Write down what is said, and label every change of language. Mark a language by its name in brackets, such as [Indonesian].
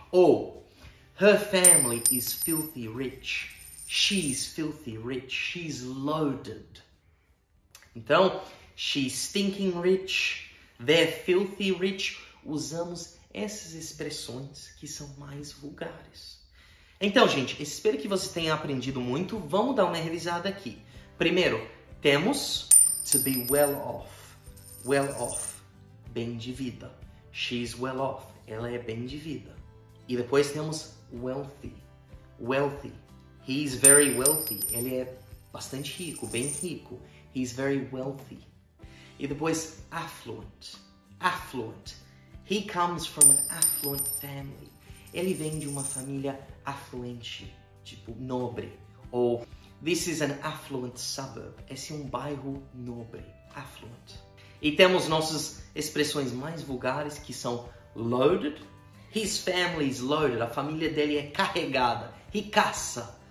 [English] Ou her family is filthy rich. She's filthy rich. She's loaded. Então, she's stinking rich. They're filthy rich. [Portuguese] Usamos essas expressões que são mais vulgares. Então, gente, espero que vocês tenham aprendido muito. Vamos dar uma revisada aqui. Primeiro, temos [English] to be well off. Well off. [Portuguese] Bem de vida. [English] She's well off. [Portuguese] Ela é bem de vida. E depois temos wealthy. Wealthy. [English] He's very wealthy. [Portuguese] Ele é bastante rico, bem rico. [English] He's very wealthy. E depois affluent. Affluent. He comes from an affluent family. [Portuguese] Ele vem de uma família afluente, tipo nobre. Ou [English] this is an affluent suburb. [Portuguese] Esse é um bairro nobre, affluent. E temos nossas expressões mais vulgares que são loaded. [English] His family is loaded. [Portuguese] A família dele é carregada, ricaça.